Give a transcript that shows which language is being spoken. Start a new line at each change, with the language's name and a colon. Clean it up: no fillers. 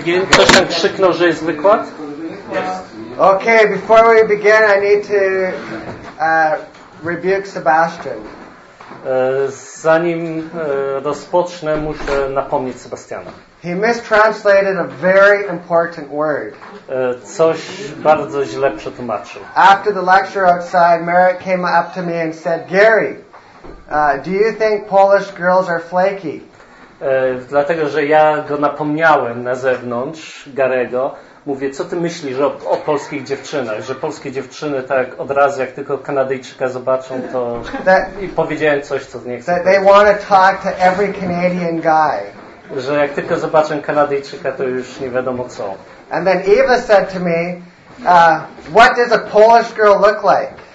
Polish: Ktoś tam krzyknął, że jest wykład?
English: Okay, before we begin, I need to rebuke Sebastian.
Polish: Zanim rozpocznę, muszę napomnieć Sebastiana.
English: He mistranslated a very important word.
Polish: Coś bardzo źle przetłumaczył.
English: After the lecture outside, Merrick came up to me and said, Gary, do you think Polish girls are flaky?
Polish: Dlatego, że ja go napomniałem na zewnątrz, Garego. Mówię, co ty myślisz o polskich dziewczynach? Że polskie dziewczyny tak od razu, jak tylko Kanadyjczyka zobaczą, to... I powiedziałem coś, co nie chcę.
English: They want to talk to every Canadian guy.
Polish: Że jak tylko zobaczę Kanadyjczyka, to już nie wiadomo co.
English: And then Eva said to me, what does a Polish girl look like?